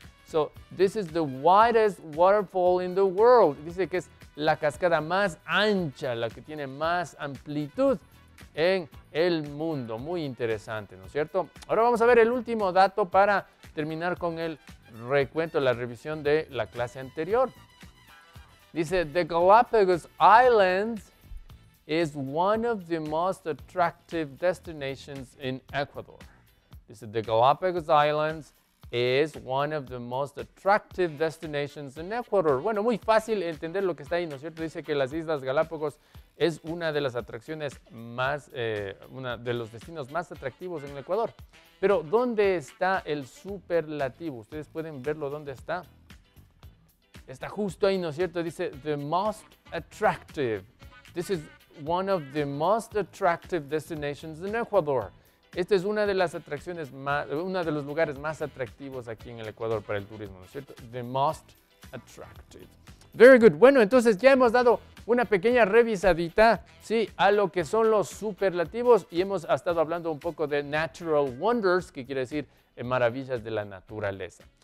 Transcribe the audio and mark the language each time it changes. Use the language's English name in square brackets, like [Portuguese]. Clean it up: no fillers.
[English] So, this is the widest waterfall in the world. [Spanish] Dice que es la cascada más ancha, la que tiene más amplitud en el mundo. Muy interesante, ¿no es cierto? Ahora vamos a ver el último dato para terminar con el recuento, la revisión de la clase anterior. Dice, [English] the Galapagos Islands is one of the most attractive destinations in Ecuador. [Spanish] Dice, [English] the Galapagos Islands is one of the most attractive destinations in Ecuador. [Spanish] Bueno, muy fácil entender lo que está ahí, ¿no es cierto? Dice que las Islas Galápagos es una de las atracciones más, una de los destinos más atractivos en el Ecuador. Pero, ¿dónde está el superlativo? Ustedes pueden verlo, ¿dónde está? Está justo ahí, ¿no es cierto? Dice, [English] the most attractive. This is one of the most attractive destinations in Ecuador. [Spanish] Esta es una de las atracciones más, uno de los lugares más atractivos aquí en el Ecuador para el turismo, ¿no es cierto? [English] The most attractive. Very good. [Spanish] Bueno, entonces ya hemos dado una pequeña revisadita, sí, a lo que son los superlativos y hemos estado hablando un poco de [English] natural wonders, [Spanish] que quiere decir maravillas de la naturaleza.